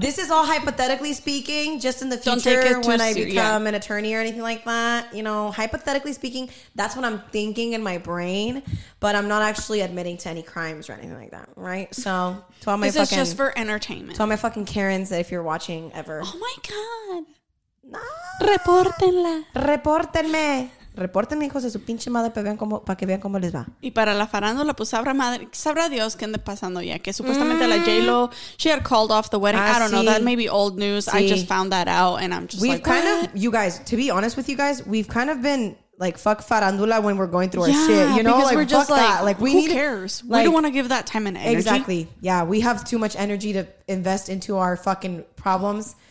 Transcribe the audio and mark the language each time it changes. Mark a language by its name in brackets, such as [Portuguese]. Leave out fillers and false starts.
[English] This is all hypothetically speaking, just in the future when I become an attorney or anything like that. You know, hypothetically speaking, that's what I'm thinking in my brain, but I'm not actually admitting to any crimes or anything like that, right? So, to all my this fucking. This is just for entertainment. To all my fucking Karens that if you're watching ever. Oh my God. No. [Spanish] Repórtenla. Repórtenme. Repórtenme, hijos de su pinche madre, para que vean cómo les va. Y para la farándula, pues sabrá madre, sabrá Dios qué anda pasando ya. Que supuestamente la [English] J-Lo, she had called off the wedding. I don't know. That may be old news. [Spanish] Sí. [English] I just found that out and I'm just You guys, to be honest with you guys, we've kind of been like, fuck farándula when we're going through our shit. You know, because like, we're just fuck like, that. Like, who cares? Like, we don't want to give that time and energy. Exactly. Yeah, we have too much energy to invest into our fucking problems.